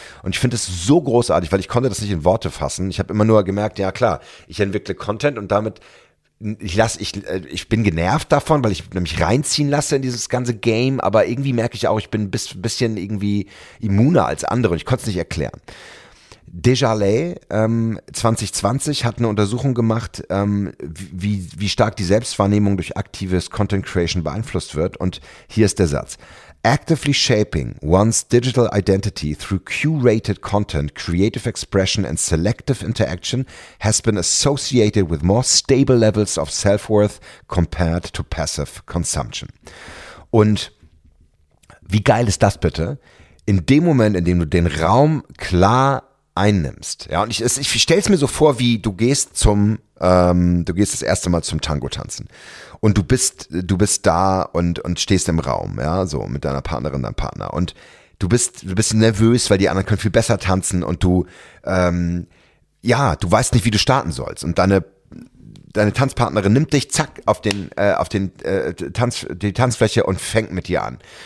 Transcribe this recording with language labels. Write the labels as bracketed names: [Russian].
[German] Und ich finde es so großartig, weil ich konnte das nicht in Worte fassen. Ich habe immer nur gemerkt, ja klar, ich entwickle Content und damit ich bin genervt davon, weil ich nämlich reinziehen lasse in dieses ganze Game, aber irgendwie merke ich auch, ich bin ein bisschen irgendwie immuner als andere und ich konnte es nicht erklären. Desjardins 2020 hat eine Untersuchung gemacht, wie stark die Selbstwahrnehmung durch aktives Content Creation beeinflusst wird. Und hier ist der Satz. [English] Actively shaping one's digital identity through curated content, creative expression and selective interaction has been associated with more stable levels of self-worth compared to passive consumption. [German] Und wie geil ist das bitte? In dem Moment, in dem du den Raum klar einnimmst, ja, und ich stelle es mir so vor, wie du gehst zum, du gehst das erste Mal zum Tango tanzen und du bist da und stehst im Raum, ja, so mit deiner Partnerin, deinem Partner und du bist nervös, weil die anderen können viel besser tanzen und du, ja, du weißt nicht, wie du starten sollst und deine Tanzpartnerin nimmt dich zack auf die Tanzfläche und fängt mit dir an.